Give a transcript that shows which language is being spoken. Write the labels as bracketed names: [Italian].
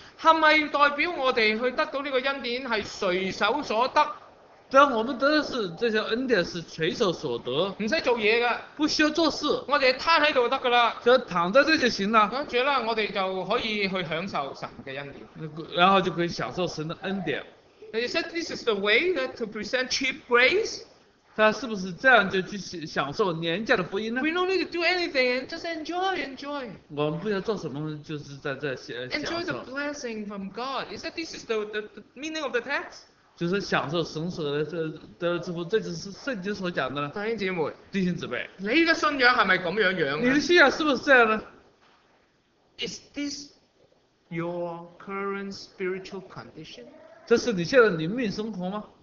[Chinese] 是不是代表我们去得到这个恩典是随手所得？对，我们得的是这些恩典是随手所得，不用做事的，不需要做事，我们摊在这里就可以了，就躺在这就行了，然后呢我们就可以去享受神的恩典，然后就可以享受神的恩典。 [English] You said this is the way to present cheap grace？ [Chinese] 他是不是这样就去享受廉价的福音呢？ [English] We don't need to do anything, just enjoy, enjoy. [Chinese] 我们不要做什么，就是在这享受。 [English] Enjoy the blessing from God. Is that this is the meaning of the text? [Chinese] 就是享受神所的祝福，这就是圣经所讲的。弟兄姊妹，弟兄姊妹，你的信仰是不是这样样？你的信仰是不是这样呢？ [English] Is this your current spiritual condition? [Chinese] 这是你现在灵命生活吗？